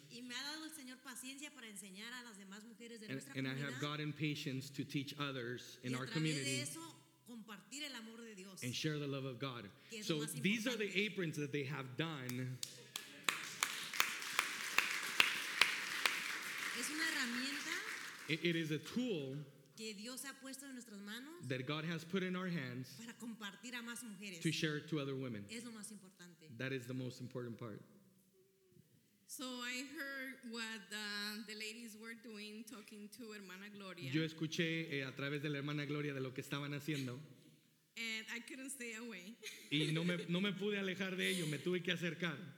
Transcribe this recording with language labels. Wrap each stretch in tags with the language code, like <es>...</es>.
<es>Y me ha dado el Señor paciencia para enseñar a las demás mujeres de nuestra</es> <en>and</en> <es>comunidad.</es> <en>And I have gotten patience to teach others in</en> <es>y</es> <en>our community.</en> <es>De eso, compartir el amor de Dios.</es> <en>And share the love of God. So these are the aprons that they have done.</en> <es>Es una herramienta.</es> <en>It is a tool</en> <es>que Dios ha puesto en nuestras manos</es> <en>that God has put in our hands</en> <es>para compartir a más mujeres.</es> <en>To share it to other women.</en> <es>Es lo más importante.</es> <en>That is the most important part. So I heard what the ladies were doing, talking to Hermana Gloria.</en> <es>Yo escuché a través de la Hermana Gloria de lo que estaban haciendo.</es> <en>And I couldn't stay away.</en> <es>Y no me pude alejar de ello, me tuve que acercar.</es>